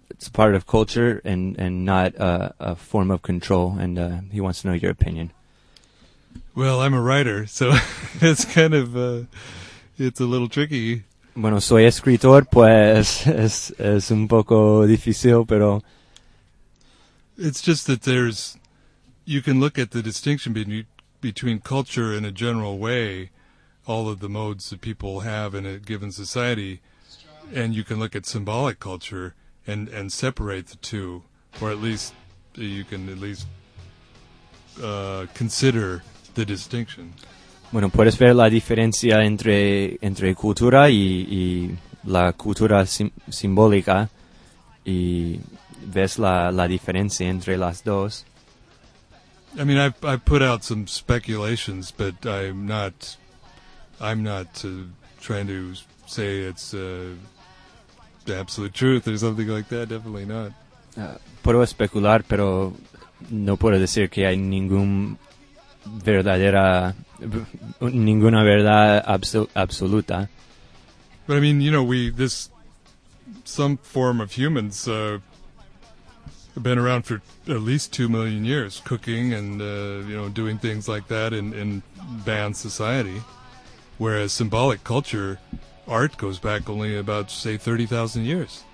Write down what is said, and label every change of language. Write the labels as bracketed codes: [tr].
[en] it's part of culture and not a form of control, and he wants to know your opinion. Well, I'm a writer, so it's kind of it's a little tricky. [es] Bueno, soy escritor, pues es un poco difícil, pero... [en] It's just that there's... You can look at the distinction between culture in a general way, all of the modes that people have in a given society, and you can look at symbolic culture and separate the two, or at least you can at least consider the distinction. [es] Bueno, puedes ver la diferencia entre cultura y la cultura simbólica y ves la diferencia entre las dos. [en] I mean, I've put out some speculations, but I'm not trying to say it's the absolute truth or something like that. Definitely not. [es] Puedo especular, pero no puedo decir que hay ninguna verdad absoluta. [en] But I mean, you know, some form of humans have been around for at least 2 million years, cooking and doing things like that in band society. Whereas symbolic culture, art goes back only about, say, 30,000 years.